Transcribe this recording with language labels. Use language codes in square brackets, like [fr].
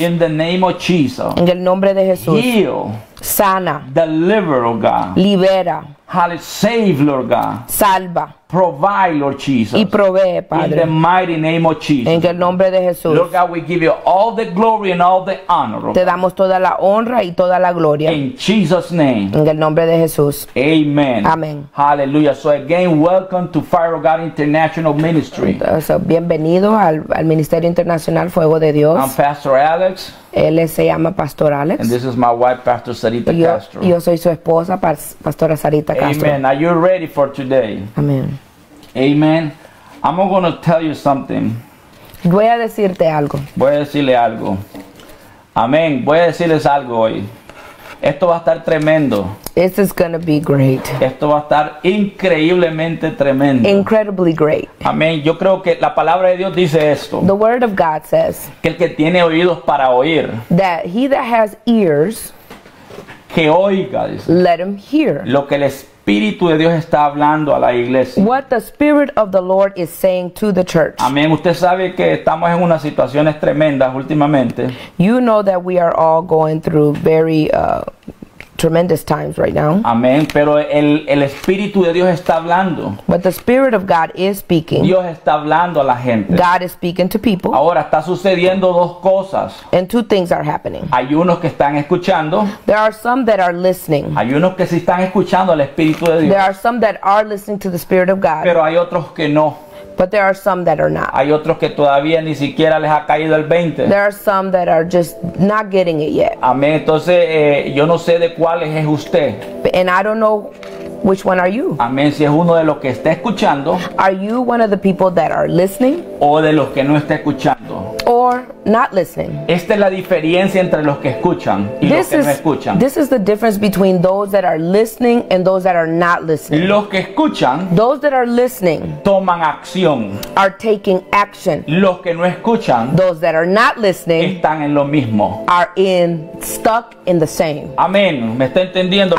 [en] In the name of Jesus. [es] En el nombre de Jesús. [en] Heal. [es] Sana. [en] Deliver, oh God. [es] Libera. [en] Save, Lord God. [es] Salva. [en] Provide, Lord Jesus. [es] Y provee, Padre. [en] In the mighty name of Jesus. [es] En el nombre de Jesús. [en] Lord God, we give you all the glory and all the honor. [es] Te damos toda la honra y toda la gloria. [en] In Jesus' name. [es] En el nombre de Jesús. [en] Amen. Amen. Hallelujah. So again, welcome to Fire of God International Ministry. [es] Entonces, bienvenido al Ministerio Internacional Fuego de Dios. [en] I'm Pastor Alex. [es] Él se llama Pastor Alex. [en] And this is my wife, Pastor Sarita Castro. [es] Yo soy su esposa, Pastora Sarita Castro. [en] Amen. Are you ready for today? Amen. Amen. I'm going to tell you something. [es] Voy a decirte algo. Voy a decirle algo. Amen. Voy a decirles algo hoy. Esto va a estar tremendo. [en] This is going to be great. [es] Esto va a estar increíblemente tremendo. [en] Incredibly great. [es] Amén. Yo creo que la palabra de Dios dice esto. [en] The word of God says. [es] Que el que tiene oídos para oír. [en] That he that has ears. [es] Que oiga. Dice, [en] let him hear. [es] Lo que el Espíritu de Dios está hablando a la iglesia. [en] What the Spirit of the Lord is saying to the church. [es] Amén. Usted sabe que estamos en unas situaciones tremendas últimamente. [en] You know that we are all going through very... tremendous times right now. [es] Amén. Pero el Espíritu de Dios está hablando. [en] But the Spirit of God is speaking. [es] Dios está hablando a la gente. [en] God is speaking to people. [es] Ahora está sucediendo dos cosas. [en] And two things are happening. [es] Hay unos que están escuchando. [en] There are some that are listening. [es] Hay unos que sí están escuchando al Espíritu de Dios. [en] There are some that are listening to the Spirit of God. [es] Pero hay otros que no. [en] But there are some that are not. [es] Hay otros que todavía ni siquiera les ha caído el 20. [en] There are some that are just not getting it yet. [es] Amén. Entonces, yo no sé de cuáles es usted. [en] And I don't know which one are you. [es] Amén. Si es uno de los que está escuchando. [en] Are you one of the people that are listening? [es] O de los que no está escuchando. [en] Or not listening. [es] Esta es la diferencia entre los que escuchan y los que no escuchan. [en] This is the difference between those that are listening and those that are not listening. [es] Los que escuchan, [en] those that are listening, [es] toman acción, [en] are taking action. [es] Los que no escuchan, [en] those that are not listening, [es] están en lo mismo, [en] are in stuck in the same. [es] Amén. ¿Me está entendiendo?